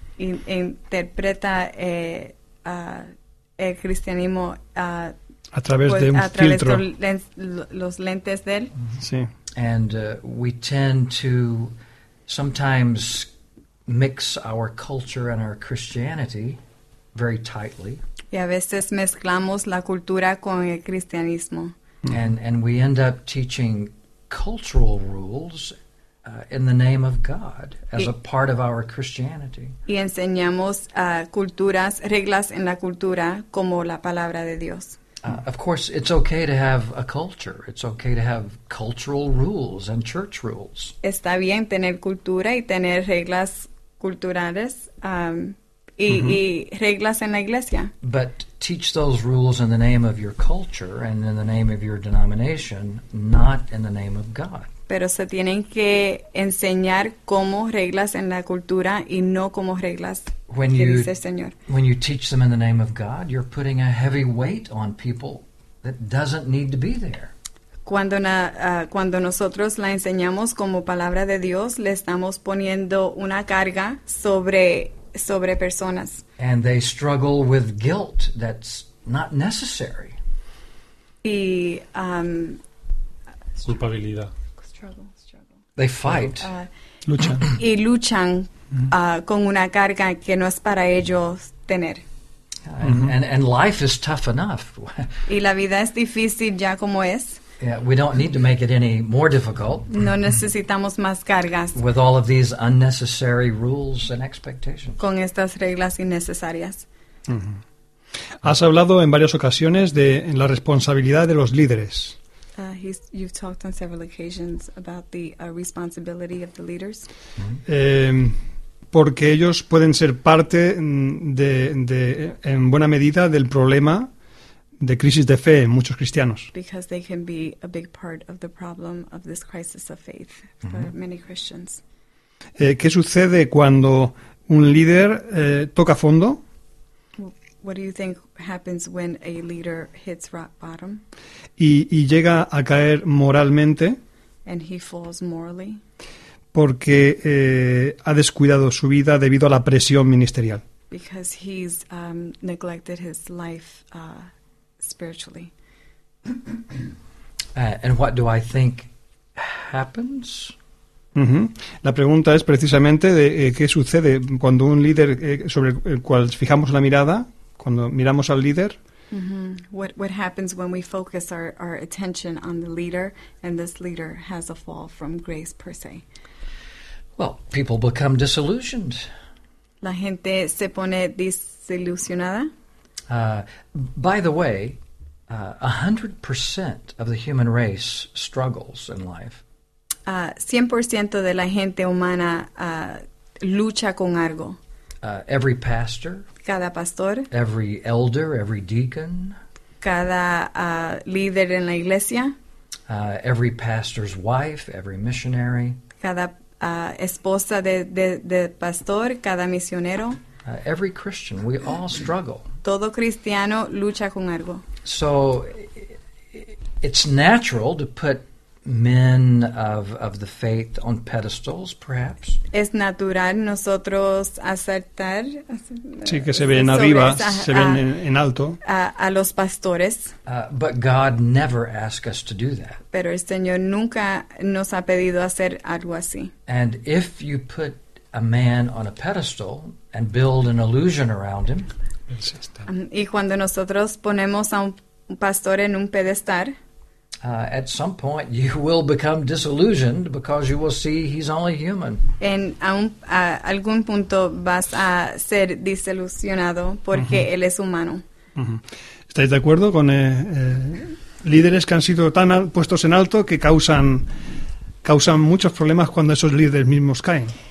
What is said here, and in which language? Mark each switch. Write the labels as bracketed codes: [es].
[es] Interpreta el cristianismo a través de un filtro. Los lentes de él. Sí. [en] And we tend to sometimes mix our culture and our Christianity very tightly. [es] Y a veces mezclamos la cultura con el cristianismo. [en] And we end up teaching cultural rules in the name of God as a part of our Christianity. [es] Y enseñamos culturas, reglas en la cultura como la palabra de Dios. [en] Of course, it's okay to have a culture. It's okay to have cultural rules and church rules. [es] Está bien tener cultura y tener reglas culturales y reglas en la iglesia. [en] But teach those rules in the name of your culture and in the name of your denomination, not in the name of God. [es] Pero se tienen que enseñar como reglas en la cultura y no como reglas dice el Señor. [en] When you teach them in the name of God, you're putting a heavy weight on people that doesn't need to be there. [es] Cuando nosotros la enseñamos como palabra de Dios, le estamos poniendo una carga sobre personas. [en] And they struggle with guilt that's not necessary. [es] Y culpabilidad. [en] Struggle. They fight. [es] Luchan. Y luchan con una carga que no es para ellos tener. [en] And life is tough enough. [es] Y la vida es difícil ya como es. [en] Yeah, we don't need to make it any more difficult. [es] No necesitamos más cargas. [en] With all of these unnecessary rules and expectations. [es] Con estas reglas innecesarias. Mm-hmm. Has hablado en varias ocasiones de la responsabilidad de los líderes. [en] You've talked on several occasions about the responsibility of the leaders. [es] Porque ellos pueden ser parte de en buena medida del problema de crisis de fe en muchos cristianos. [en] Because they can be a big part of the problem of this crisis of faith for many Christians. [es] ¿Qué sucede cuando un líder toca fondo? [en] What do you think happens when a leader hits rock bottom? [es] Y llega a caer moralmente. [en] And he falls morally. [es] Porque ha descuidado su vida debido a la presión ministerial. [en] Because he's neglected his life spiritually. And what do I think happens? Uh-huh. [es] La pregunta es precisamente de qué sucede cuando un líder sobre el cual fijamos la mirada. Cuando miramos al líder, [en] What happens when we focus our attention on the leader and this leader has a fall from grace per se? Well, people become disillusioned. [es] La gente se pone desilusionada. [en] By the way, 100% of the human race struggles in life. [es] 100% de la gente humana lucha con algo. [en] Every pastor. [es] Cada pastor, [en] every elder, every deacon, [es] cada líder en la iglesia, [en] every pastor's wife, every missionary, [es] cada esposa de pastor, cada misionero, [en] every Christian, we all struggle. [es] Todo cristiano lucha con algo. [en] So it's natural to put men of the faith on pedestals, perhaps. [es] Es natural nosotros aceptar. Sí, que se ven arriba, se ven en alto. A los pastores. [en] But God never asked us to do that. [es] Pero el Señor nunca nos ha pedido hacer algo así. [en] And if you put a man on a pedestal and build an illusion around him. [es] Y cuando nosotros ponemos a un pastor en un pedestal. [en] At some point, you will become disillusioned because you will see he's only human. [es] En algún punto vas a ser desilusionado porque él es humano. ¿Estáis de acuerdo con líderes que han sido tan puestos en alto que causan muchos problemas cuando esos líderes mismos caen?